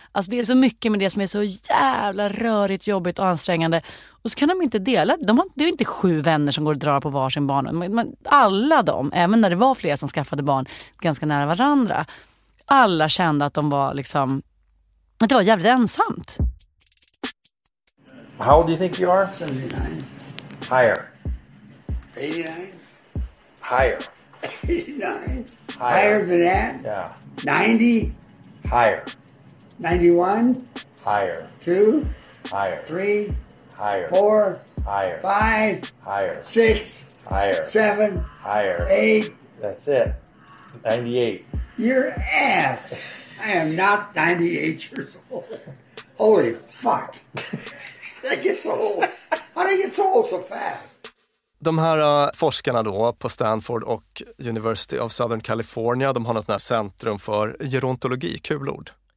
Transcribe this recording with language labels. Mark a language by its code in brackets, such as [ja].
[sv] Alltså det är så mycket med det som är så jävla rörigt, jobbigt och ansträngande. Och så kan de inte dela. Det är inte 7 vänner som går och drar på varsin barn. Men alla de, även när det var flera som skaffade barn ganska nära varandra, alla kände att de var liksom, att det var jävligt ensamt. [en] How old do you think you are? 79. Higher. 89. Higher. 89. Higher than that? Yeah. 90? Higher. 91? Higher. 2? Higher. 3? Higher. 4? Higher. 5? Higher. 6? Higher. 7? Higher. 8? That's it. 98. Your ass. I am not 98 years old. Holy fuck. I get so old. How do I get so old so fast? [sv] De här forskarna då på Stanford och University of Southern California, de har något sånt här centrum för gerontologi, kul ord.